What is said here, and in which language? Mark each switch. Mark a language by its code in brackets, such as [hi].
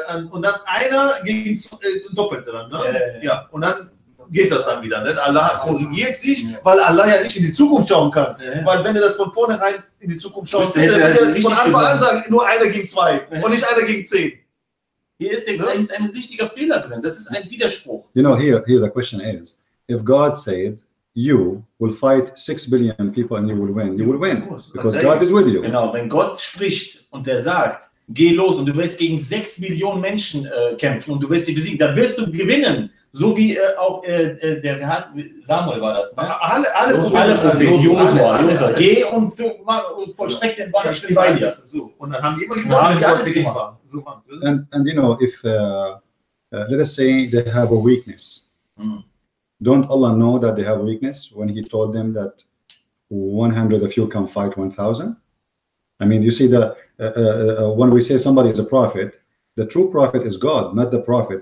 [de] Und dann einer gegen Doppelte dann, ne? Ja, und dann geht das dann wieder. Nicht? Allah korrigiert sich, weil Allah ja nicht in die Zukunft schauen kann. Ja. Weil wenn er das von vornherein in die Zukunft schaut, dann würde er von Anfang an sagen, nur einer gegen zwei und nicht einer gegen 10. Hier ist, ist ein richtiger Fehler drin. Das ist ein Widerspruch. [en] You know, here the question is, if God said, you will fight 6 billion people and you will win. You will win because God is with you. [de] Genau, wenn Gott spricht und er sagt, geh los und du wirst gegen 6 Millionen Menschen kämpfen und du wirst sie besiegen, dann wirst du gewinnen. So wie auch der Samuel war das. Ne? Alle Propheten. Geh und vollstreck den Ball, ich bin bei dir. So. Und dann haben die immer gewonnen, wenn die alles gemacht. [en] So, and you know, if let us say they have a weakness. Don't Allah know that they have weakness when he told them that 100 of you can fight 1,000? I mean, you see, that when we say somebody is a prophet, the true prophet is God, not the prophet.